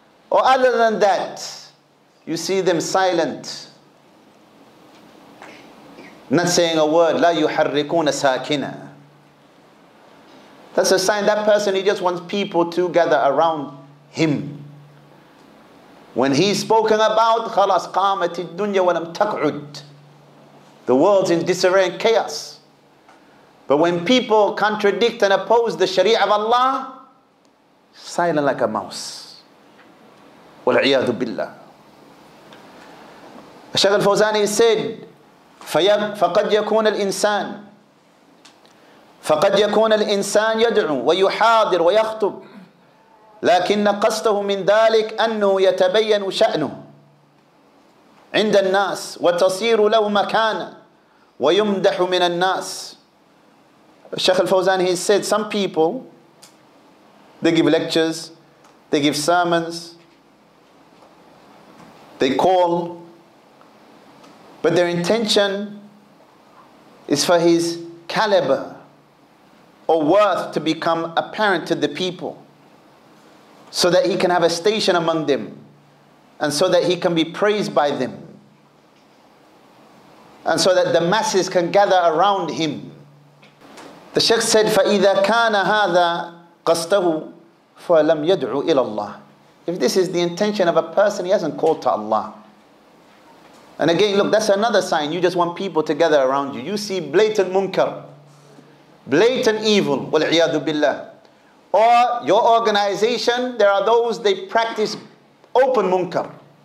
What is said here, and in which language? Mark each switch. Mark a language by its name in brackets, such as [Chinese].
[English] Or other than that, you see them silent. Not saying a word. [Arabic] La yuharrikuna sakina. [English] That's a sign that person, he just wants people to gather around him. When he's spoken about, [Arabic] خَلَصْ قَامَتِ الدُّنْيَا وَلَمْ تَقْعُدْ. [English] The world's in disarray and chaos. But when people contradict and oppose the sharia of Allah, silent like a mouse. [Arabic] وَالْعِيَادُ بِاللَّهِ. [English] Shaykh al-Fawzani said, [Arabic] فَقَدْ يَكُونَ الْإِنسَانِ فَقَدْ يَكُونَ الْإِنسَانِ يَدْعُوا وَيُحَاضِرُ وَيَخْطُبُ لَكِنَّ قَصْتَهُ مِنْ ذَلِكَ أَنُّهُ يَتَبَيَّنُ شَأْنُهُ عِنْدَ النَّاسِ وَتَصِيرُ لَهُ مَكَانًا وَيُمْدَحُ مِنَ النَّاسِ. [English] Shaykh al-Fawzan, he said, some people, they give lectures, they give sermons, they call, but their intention is for his caliber or worth to become apparent to the people so that he can have a station among them and so that he can be praised by them and so that the masses can gather around him. The Shaykh said, [Arabic] فَإِذَا كَانَ هَذَا قَصْتَهُ فَلَمْ يَدْعُوا إِلَى اللَّهِ. [English] If this is the intention of a person, he hasn't called to Allah. And again, look, that's another sign. You just want people to gather around you. You see blatant munkar, blatant evil, wal'iyadu billah. Or your organization, there are those, they practice open munkar.